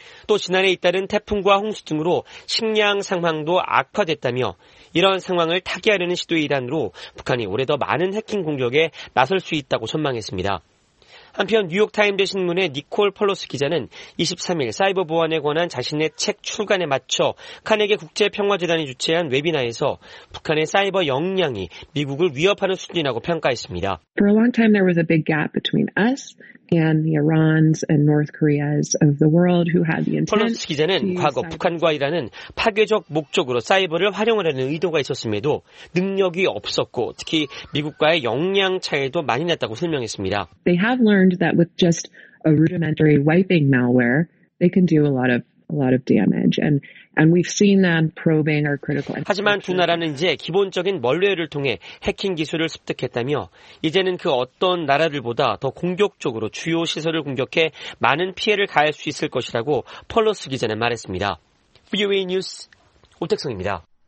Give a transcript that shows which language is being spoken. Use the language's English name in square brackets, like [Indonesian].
[Korean] 또 지난해 잇따른 태풍과 홍수 등으로 식량 상황도 악화됐다며 이런 상황을 타개하려는 시도의 일환으로 북한이 올해 더 많은 해킹 공격에 나설 수 있다고 전망했습니다. 한편 뉴욕타임즈 신문의 니콜 펄로스 기자는 23일 사이버 보안에 관한 자신의 책 출간에 맞춰 카네기 국제평화재단이 주최한 웨비나에서 북한의 사이버 역량이 미국을 위협하는 수준이라고 평가했습니다. [English] For a long time there was a big gap between us and the Irans and North Koreas of the world who had the intent. [Korean] 펄로스 기자는 과거 북한과 이란은 파괴적 목적으로 사이버를 활용하려는 의도가 있었음에도 능력이 없었고 특히 미국과의 역량 차이도 많이 났다고 설명했습니다. [English] They have learned that with just a rudimentary wiping malware, they can do a lot of damage and we've seen them probing our critical infrastructure. [Korean] 하지만 두 나라는 이제 기본적인 멀웨어를 통해 해킹 기술을 습득했다며 이제는 그 어떤 나라들보다 더 공격적으로 주요 시설을 공격해 많은 피해를 가할 수 있을 것이라고 펄로스 기자는 말했습니다. VOA 뉴스 오택성입니다.